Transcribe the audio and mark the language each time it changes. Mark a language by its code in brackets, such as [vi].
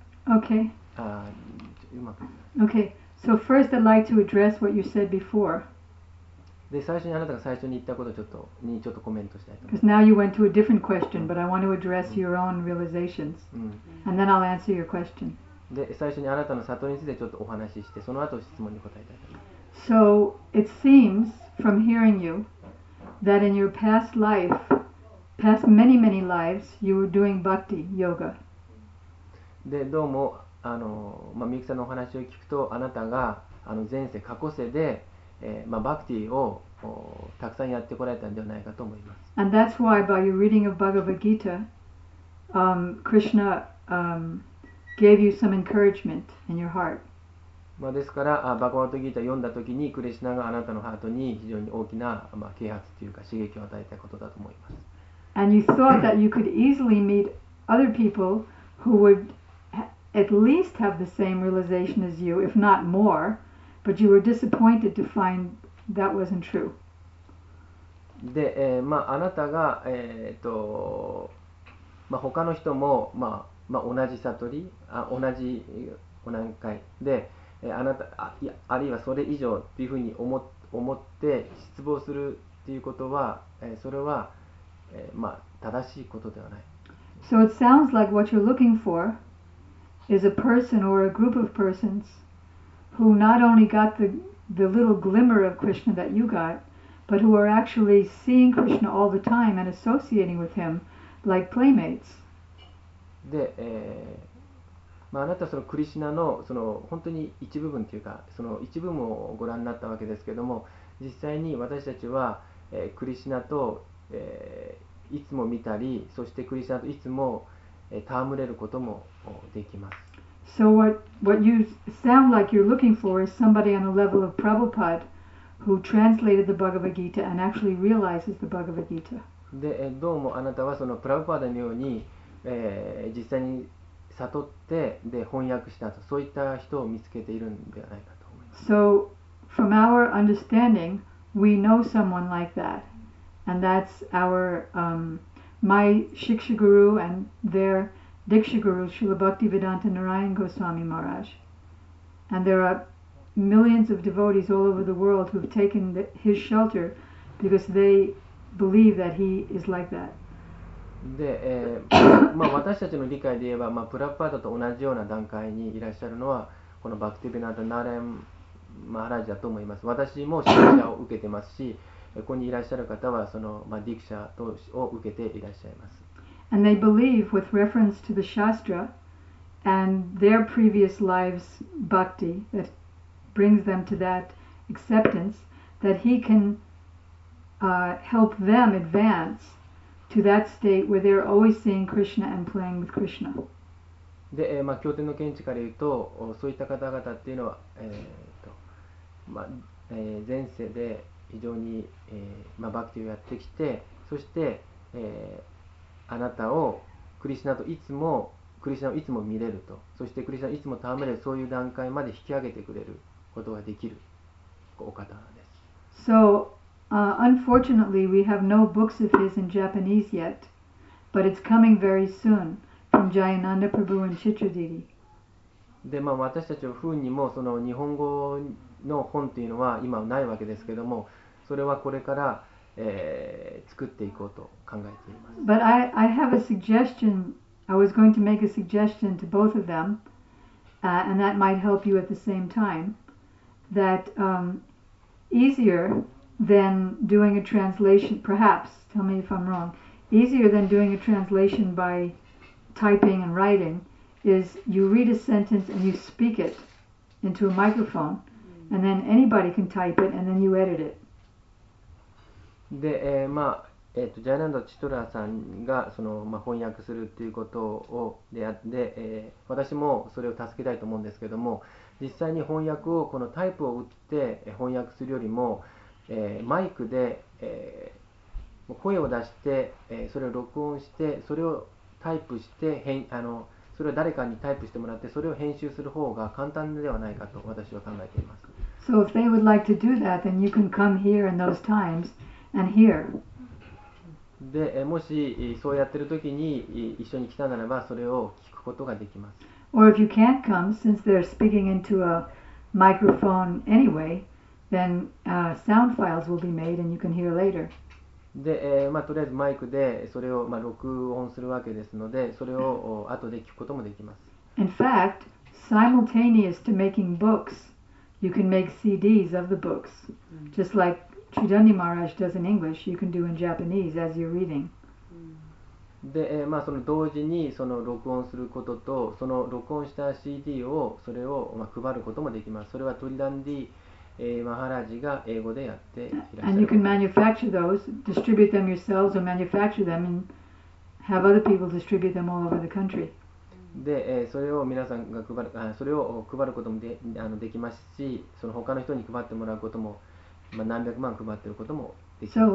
[en] Okay, so first I'd like to address what you said before. [ja] で最初にあなたが最初に言ったことをちょっとコメントしたいと思います [en] Because now you went to a different question, but I want to address your own realizations,、 [ja] うん、 [en] and then I'll answer your question. [ja] で最初にあなたの悟りについてちょっとお話しして、その後質問に答えたいと思います。 [en] So it seems from hearing you that in your past life, past many many lives, you were doing bhakti yoga. [ja] でどうもまあ、ミクさんのお話を聞くと、あなたが前世過去世でまあ、バクティをたくさんやってこられたんではないかと思います。 [en] And that's why by your reading of Bhagavad Gita, Krishna, gave you some encouragement in your heart. [ja] まあですから、バガヴァッド・ギータを読んだときに、クリシナがあなたのハートに非常に大きな、まあ、啓発というか刺激を与えたことだと思います。 [en] And you thought that you could easily meet other people who would at least have the same realization as you, if not more. But you were disappointed to find that wasn't true. [ja] で、まあ、あなたが、まあ、他の人も、まあ、同じ悟り、同じ何回で、あなた、あるいはそれ以上っていうふうに思って失望するっていうことは、それは、まあ、正しいことではない。 [en] So it sounds like what you're looking for is a person or a group of persons who not only got the little glimmer of Krishna that you got, but who are actually seeing Krishna all the time and associating with him like playmates. [ja] で、まあ、あなたはそのクリシナのその本当に一部分というか、その一部分をご覧になったわけですけれども、実際に私たちは、クリシナと、いつも見たり、そしてクリシナといつも、戯れることもできます。 [en] So what you sound like you're looking for is somebody on the level of Prabhupada who translated the Bhagavad Gita and actually realizes the Bhagavad Gita. [ja] で、どうもあなたはそのプラブパダのように、実際に悟ってで翻訳したと、そういった人を見つけているんではないかと思います。 [en] So from our understanding, we know someone like that, and that's our my Shiksha Guru and their Diksha Guru, Srila Bhaktivedanta Narayan Goswami Maharaj. And there are millions of devotees all over the world who have taken his shelter because they believe that he is like that. [ja] で、まあ、私たちの理解で言えば、まあ、プラプパダと同じような段階にいらっしゃるのはこのバクティビナータ・ナーレン・マハラジだと思います。私も指導者を受けてますし、ここにいらっしゃる方はその、まあ、ディクシャを受けていらっしゃいます。 [en] And they believe with reference to the Shastra and their previous lives bhakti that brings them to that acceptance that he can、help them advanceto that state where they're always seeing Krishna and playing with Krishna. [ja] で、まあ、経典の見地から言うと、そういった方々っていうのは、まあ、前世で非常に、まあ、バクティをやってきて、そして、あなたをクリシナといつもクリシナをいつも見れると、そしてクリシナをいつも戯れる、そういう段階まで引き上げてくれることができるお方なんです。 [en] So,unfortunately, we have no books of his in Japanese yet, but it's coming very soon from Jayananda Prabhu and Chitradidhi. [ja] で、まあ、私たち風にもその日本語の本というのは今はないわけですけども、それはこれから、作っていこうと考えています。 [en] But I have a suggestion. I was going to make a suggestion to both of them, and that might help you at the same time. That easier. Than doing a translation, perhaps, tell me if I'm wrong, easier than doing a translation by typing and writing is you read a sentence and you speak it into a microphone, and then anybody can type it and then you edit it. [ja] で、まあ、ジャイナンド・チトラさんがその、まあ、翻訳するということをであって、私もそれを助けたいと思うんですけども、実際に翻訳をこのタイプを打って翻訳するよりも、マイクで、声を出して、それを録音してそれをタイプして編あのそれを誰かにタイプしてもらってそれを編集する方が簡単ではないかと私は考えています。 [en] So if they would like to do that then you can come here in those times and hear. [ja] で、もしそうやってる時に一緒に来たならばそれを聞くことができます。 [en] Or if you can't come since they're speaking into a microphone anywayThen sound files will be made and you can hear later. [ja] で、まあ、とりあえずマイクでそれを、まあ、録音するわけですので、それを後で聞くこともできます。 [en] In fact, simultaneous to making books, you can make CDs of the books. Just like Chidani Maharaj does in English, you can do in Japanese as you're reading. [ja] で、まあ、その同時にその録音することと、その録音した CD をそれを、まあ、配ることもできます。それはトリダンディマハラジが英語でやっていらっしゃる。 [en] And you can manufacture those, distribute them yourselves or manufacture them and have other people distribute them all over the country. [ja] で、それを皆さんが配る、それを配ることも できますし、その他の人に配ってもらうことも、まあ、何百万配ってることもできます。